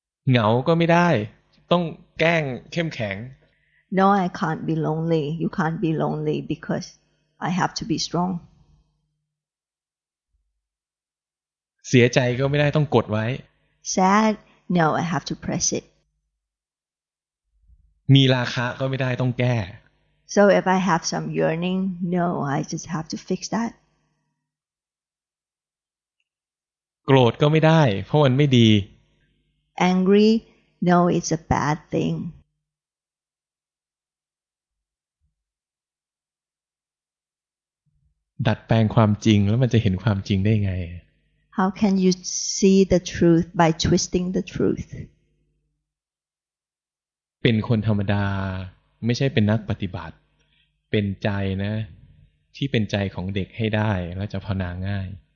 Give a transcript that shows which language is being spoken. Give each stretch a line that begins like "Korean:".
Thai: เหงาก็ไม่ได้ต้องแกล้งเข้มแข็ง
English: No, I can't be lonely. You can't be lonely because I have to be strong.
Thai: เสียใจก็ไม่ได้ต้องกดไว้
English: Sad, no, I have to press it.
Thai: มีราคะก็ไม่ได้ต้องแก้
English: So if I have some yearning, no, I just have to fix that.
Thai: โกรธก็ไม่ได้เพราะมันไม่ดี
English: Angry, no, it's a bad thing.
Thai: ดัดแปลงความจริงแล้วมันจะเห็นความจริงได้ไง
English: How can you see the truth by twisting the truth?
Thai: เป็นคนธรรมดาไม่ใช่เป็นนักปฏิบัติเป็นใจนะที่เป็นใจของเด็กให้ได้แล้วจะภาวนาง่าย